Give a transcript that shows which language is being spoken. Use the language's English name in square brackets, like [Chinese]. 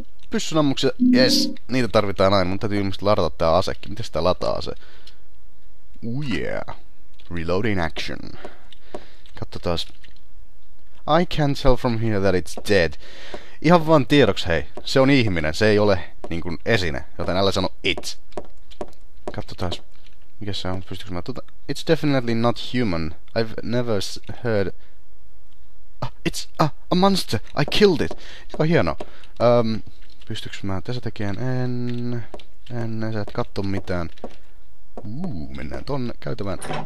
[Finnish] Pyssyn ammuksia, yes, niitä tarvitaan aina, mun täytyy ilmeisesti ladata tää asekin, miten sitä lataa se? [English] Ooh yeah, reloading action. [Finnish] Katso taas. [English] I can tell from here that it's dead. [Finnish] Ihan vaan tiedoks hei, se on ihminen, se ei ole niinkun esine, joten älä sano it. Katso taas, mikä se on, pystyks mä tuota? [English] It's definitely not human, I've never heard... it's a monster, I killed it. [Finnish] Joo, hieno. Pystyks mä tässä tekemään? En sä et katso mitään. Mennään tonne käytävään.